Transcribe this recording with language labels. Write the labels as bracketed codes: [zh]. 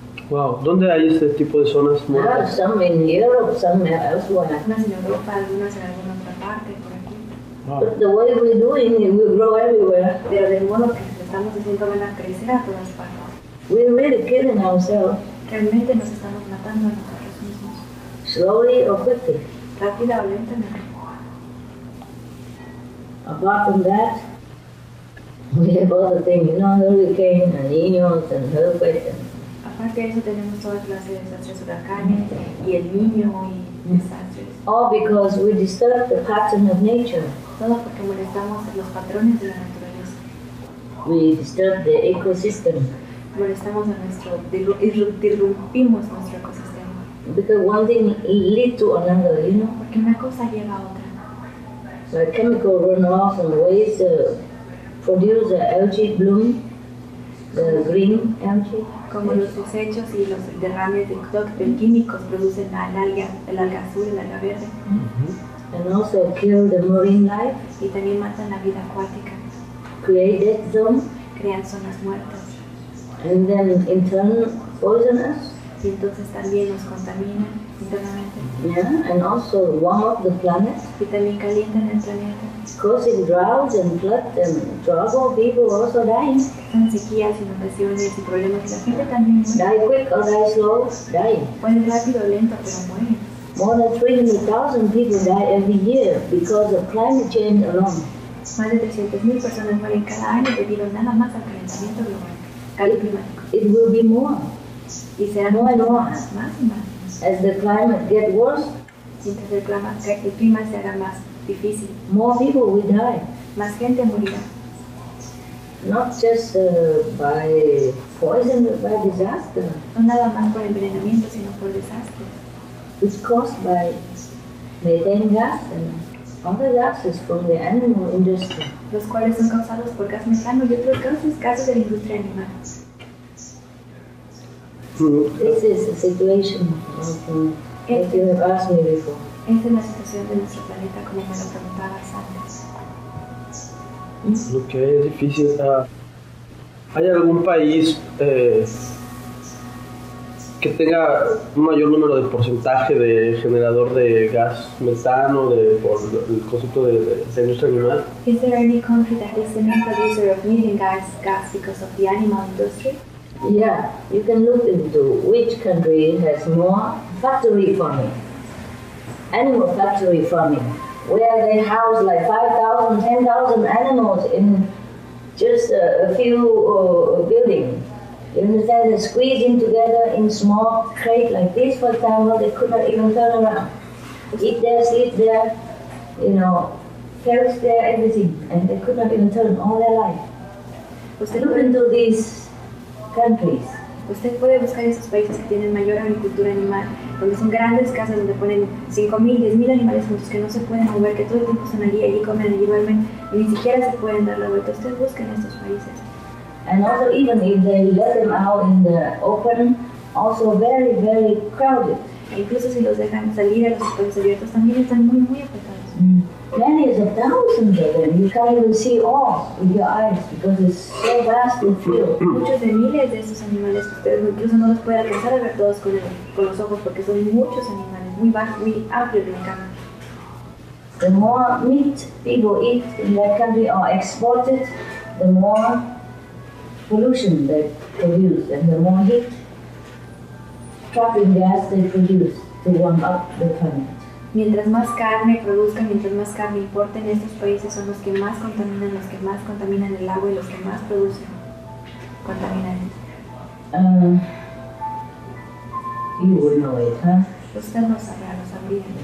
[es] Wow, ¿dónde hay este tipo de zonas muertas? [en] Some in Europe, some elsewhere. [es] Unas en Europa, algunas en alguna otra parte, por aquí. [en] Wow. But the way we're doing it, we grow everywhere. [es] Pero del modo que estamos haciendo, van a crecer a todas partes. [en] We're really killing ourselves. [es] Realmente nos estamos matando a nosotros mismos. [en] Slowly or quickly. [es] Rápida o lentamente. [en] Apart from that, we have all the things, you know, hurricanes and niños and earthquakes. And [es] aparte de eso, tenemos toda clase de desastres, huracanes y el niño y desastres. [en] All because we disturb the pattern of nature. [es] Todo porque molestamos los patrones de la naturaleza. [en] We disturb the ecosystem. [es] Molestamos a nuestro, disrumpimos nuestro ecosistema. [en] Because one thing leads to another, you know. [es] Porque una cosa lleva a otra. [en] So a chemical runoff and waste produce the algae bloom, the green algae. [es] Como los desechos y los derrames de químicos producen la alga, el alga azul, el alga verde. [en] Mm-hmm. And also kill the marine life. [es] Y también matan la vida acuática. [en] Create death zones. [es] Crean zonas muertas. [en] And then in turn poison us. [es] Y entonces también nos contaminan internamente. [en] Yeah, and also warm up the planet. [es] Y también calientan el planeta. [en] Causing droughts and floods and trouble, people also dying. [es] Son sequías, inundaciones y problemas que la gente también muere. [en] Die quick or die slow, dying. [es] Mueren rápido o lento, pero mueren. [en] More than 300,000 people die every year because of climate change alone. [es] Más de 300,000 personas mueren cada año debido nada más al calentamiento global, cambio climático. [en] It will be more. [es] Y será [en] more and more. [es] Más y más. [en] As the climate gets worse, [es] mientras el clima se haga más difícil, [en] more people will die. [es] Más gente morirá. [en] Not just by poison, but by disaster. [es] No nada más por envenenamiento, sino por desastres. [en] It's caused by methane gas and other gases from the animal industry. [es] Los cuales son causados por gas metano y otros gases de la industria animal. [en] This is the situation that you have asked me before. [es] Esta es la situación de nuestro planeta como me lo preguntabas antes. Lo que es difícil. ¿Hay algún país que tenga un mayor número de porcentaje de generador de gas metano por el concepto de industria animal? [en] Is there any country that is the main producer of methane gas because of the animal industry? Yeah, you can look into which country has more factory farming, animal factory farming, where they house like 5,000, 10,000 animals in just a few buildings. You understand, they're squeezing together in small crate like this, for example, they could not even turn around. Eat there, sleep there, you know, perish there, everything, and they could not even turn all their life. Look into these countries. [es] Usted puede buscar esos países que tienen mayor agricultura animal, donde son grandes casas donde ponen 5,000, 10,000 animales juntos que no se pueden mover, que todo el tiempo están allí, allí comen, allí duermen, y ni siquiera se pueden dar la vuelta. Usted busca en estos países. [en] And also, even if they let them out in the open, also very, very crowded. [es] E incluso si los dejan salir a los espacios abiertos, también están muy, muy apretados. [en] Many is a thousand of them. You can't even see all with your eyes because it's so vast and filled. [es] Muchos de miles de estos animales, ustedes incluso no los pueden alcanzar a ver todos con los ojos porque son muchos animales, muy vastos, muy amplios de la cama. [en] The more meat people eat in their country or exported, the more pollution they produce and the more heat. trapping gas they produce to warm up the planet. [es] Mientras más carne produzcan, mientras más carne importen, estos países son los que más contaminan, los que más contaminan el agua y los que más producen contaminantes. [en] You would know it, huh? [es] Usted no sabrá, lo sabría.